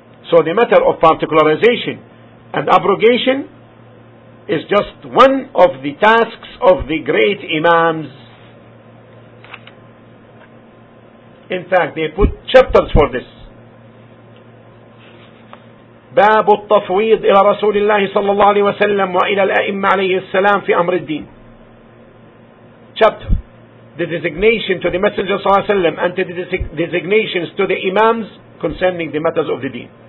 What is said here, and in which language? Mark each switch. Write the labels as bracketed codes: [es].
[en] So the matter of particularization and abrogation is just one of the tasks of the great imams. In fact, they put chapters for this. [ar] باب التفويض إلى رسول الله صلى الله عليه وسلم وإلى الأئمة عليه السلام في أمر الدين. [en] Chapter. The designation to the Messenger [ar] صلى الله عليه وسلم [en] and to the designations to the imams concerning the matters of the deen.